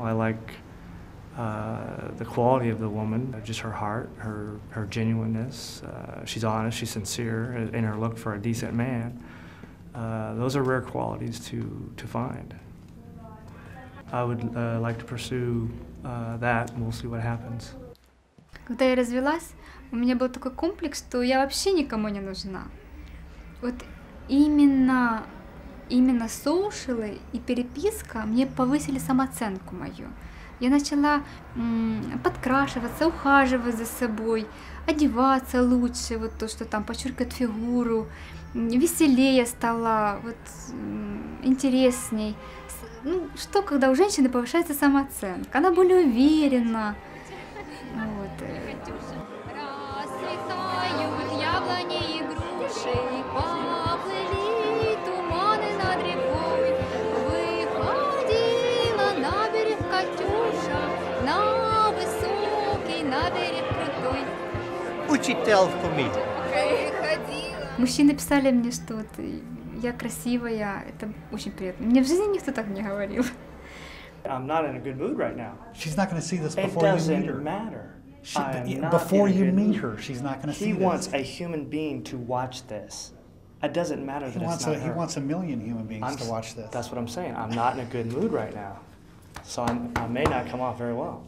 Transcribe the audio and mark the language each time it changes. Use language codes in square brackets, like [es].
[en] I like the quality of the woman, just her heart, her genuineness. She's honest, she's sincere in her look for a decent man. Those are rare qualities to find. I would like to pursue that, and we'll see what happens. [ru] Когда я развелась, у меня был такой комплекс, что я вообще никому не нужна. Вот именно соушилы и переписка мне повысили самооценку мою. Я начала подкрашиваться, ухаживать за собой, одеваться лучше, вот то, что там подчеркивает фигуру, веселее стала, вот интересней. Ну, что, когда у женщины повышается самооценка? Она более уверена. Вот. Расцветают яблони и груши, поплыли туманы над рекой. Выходила на берег Катюша, на высокий, на берег крутой. Учитель в комиде. Мужчины писали мне, что вот я красивая, это очень приятно. Мне в жизни никто так не говорил. [en] I'm not in a good mood right now. She's not going to see this before you meet her. It doesn't matter. Before you meet her, she's not going to see this. He wants a human being to watch this. It doesn't matter that it's not her. He wants a million human beings to watch this. That's what I'm saying. I'm not in a good mood right now. So I may not come off very well.